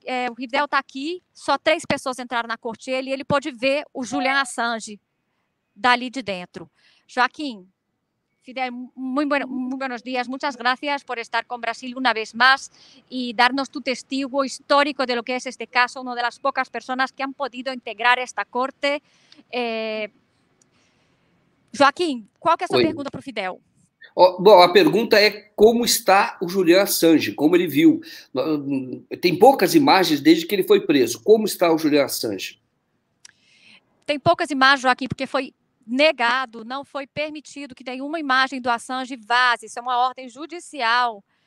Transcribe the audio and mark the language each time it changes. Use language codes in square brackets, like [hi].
[pt] O Fidel está aqui, só 3 pessoas entraram na corte. Ele pode ver o Julian Assange dali de dentro. [es] Joaquim, Fidel, muy buenos días. Muchas gracias por estar con Brasil una vez más y darnos tu testigo histórico de lo que es este caso, una de las pocas personas que han podido integrar esta corte. Joaquim, ¿cuál es tu pergunta para Fidel? [pt] Bom, a pergunta é como está o Julian Assange, como ele viu. Tem poucas imagens desde que ele foi preso. Como está o Julian Assange? Tem poucas imagens, Joaquim, porque foi negado, não foi permitido que nenhuma imagem do Assange vaze. Isso é uma ordem judicial